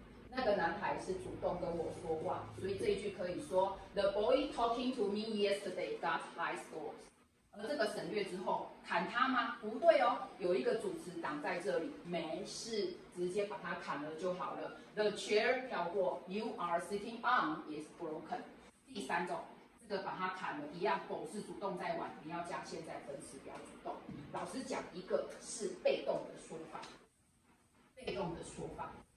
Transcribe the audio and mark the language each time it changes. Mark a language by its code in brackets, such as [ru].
[zh] 那个男孩是主动跟我说话，所以这一句可以说 [en] The boy talking to me yesterday got high scores。 [zh] 而这个省略之后，砍他吗？不对哦，有一个主词挡在这里，没事，直接把它砍了就好了。 [en] The chair [zh] 跳过， [en] You are sitting on is broken。 [zh] 第三种，这个把它砍了一样，狗是主动在玩，你要加现在分词表主动。老师讲一个是被动的说法，被动的说法。